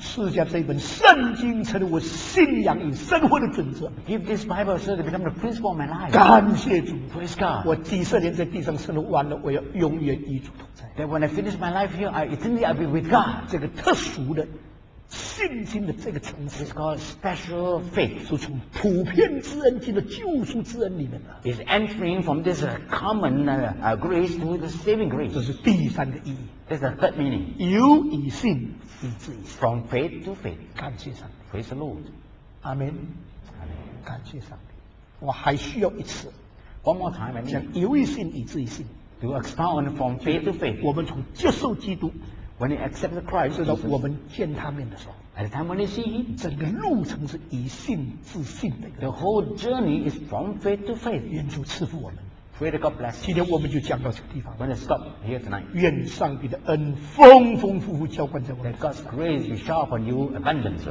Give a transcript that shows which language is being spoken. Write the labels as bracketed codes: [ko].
[zh] 赐下这本圣经成了我信仰与生活的准则 [en] Give this Bible so it becomes the principle of my life. [zh] 感谢主 [en] Praise God. [zh] 我几十年在地上生活完了我要永远与主同在 [en] That when I finish my life here, I'll be with God. [zh] 这个特殊的信心的这个层次 [en] It's called special faith. [zh] 是从普遍之恩进入救赎之恩里面的 [en] It's entering from this common grace to the saving grace. [zh] 这是第三个意义 [en] That's the third meaning. [zh] 由以信以至以信 [en] From faith to faith. [zh] 感谢上帝 [en] Praise the Lord. Amen. Amen. [zh] 感谢上帝。我还需要一次。 [en] One more time, Amen. [zh] 讲由以信以至以信 [en] To expound from faith to faith. [zh] 我们从接受基督 [en] When you accept the Christ, [zh] 直到我们见他面的时候 [en] At the time when you see him, [zh] 整个路程是以信至信的。 [en] The whole journey is from faith to faith. [zh] 愿主赐福我们。 [en] Pray that God bless you. [zh] 今天我们就讲到这个地方。 [en] We're going to stop here tonight. [zh] 愿上帝的恩丰丰富富浇灌在我们。 [en] That God's grace be sharp on you abundantly.